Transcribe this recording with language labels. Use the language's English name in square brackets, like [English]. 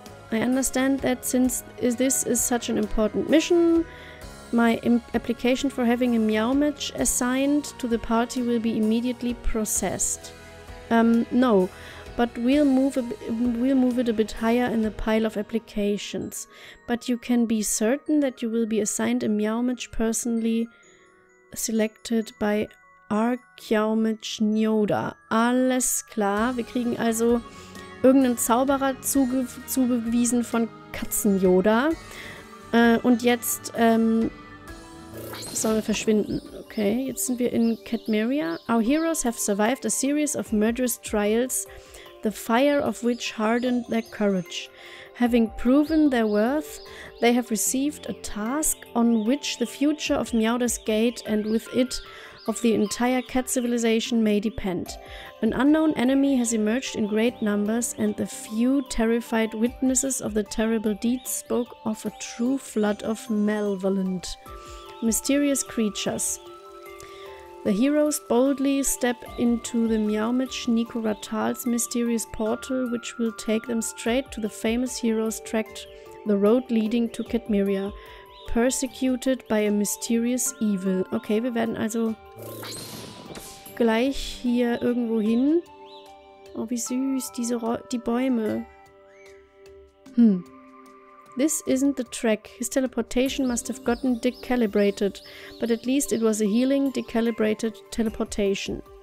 [English] I understand that since this is such an important mission, my application for having a meow match assigned to the party will be immediately processed. No, but we'll move it a bit higher in the pile of applications. But you can be certain that you will be assigned a meow match personally selected by Archaeomage Nyoda. [German] Alles klar, wir kriegen also irgendeinen Zauberer zugewiesen von Katzen-Yoda. Und jetzt, soll er verschwinden. Okay, jetzt sind wir in Katmeria. [English] Our heroes have survived a series of murderous trials, the fire of which hardened their courage. Having proven their worth, they have received a task on which the future of Miauda's Gate and with it of the entire cat civilization may depend. An unknown enemy has emerged in great numbers and the few terrified witnesses of the terrible deed spoke of a true flood of malevolent. Mysterious creatures. The heroes boldly step into the Miaumich Nikoratal's mysterious portal, which will take them straight to the famous hero's tract, the road leading to Katmeria, persecuted by a mysterious evil. [German] Okay, wir werden also gleich hier irgendwo hin. Oh, wie süß, die Bäume. [English] This isn't the track. His teleportation must have gotten decalibrated, but at least it was a healing, decalibrated teleportation.